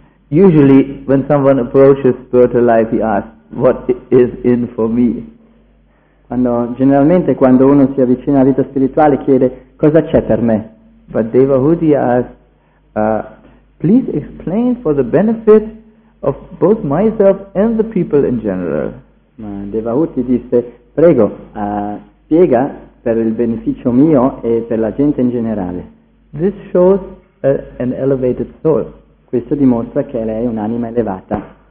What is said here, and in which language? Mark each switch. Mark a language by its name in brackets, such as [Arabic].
[English] Usually when someone approaches spiritual life he asks what is in for me. [Italian] Quando uno si avvicina alla vita spirituale chiede cosa c'è per me. [English] But Devahuti asks please explain for the benefit of both myself and the people in general. [Italian] Ma Devahuti disse, prego, spiega per il beneficio mio e per la gente in generale. [English] This shows an elevated soul. [Italian] Questo dimostra che lei è un'anima elevata.